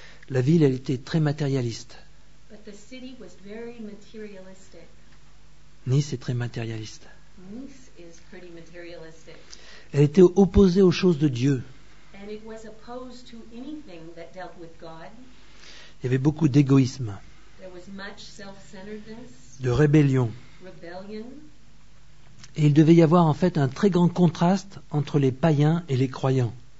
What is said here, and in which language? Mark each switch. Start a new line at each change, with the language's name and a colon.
French: La ville, elle était très matérialiste.
English: But the city was very materialistic.
French: Nice est très matérialiste.
English: Nice is pretty materialistic.
French: Elle était opposée aux choses de Dieu.
English: And it was opposed to anything that dealt with God.
French: Il y avait beaucoup d'égoïsme.
English: There was much self-centeredness,
French: de rébellion.
English: Rebellion.
French: Et il devait y avoir en fait un très grand contraste entre les païens et les croyants.